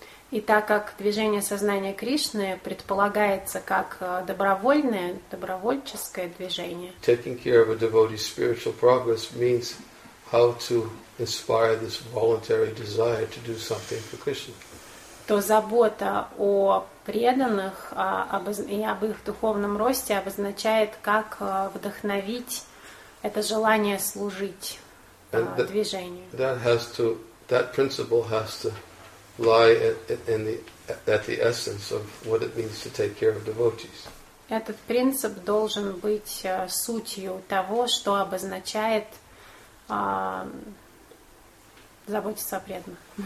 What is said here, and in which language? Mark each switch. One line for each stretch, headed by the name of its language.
Russian: И так как движение сознания Кришны предполагается как добровольческое движение,
English: taking care of a devotee's spiritual progress means how to inspire this voluntary desire to do something for Krishna.
Russian: То забота о преданных и об их духовном росте обозначает, как вдохновить это желание служить движению.
English: That principle has to lie at the essence of what it means to take care of devotees.
Russian: Этот принцип должен быть сутью того, что обозначает заботиться о преданных.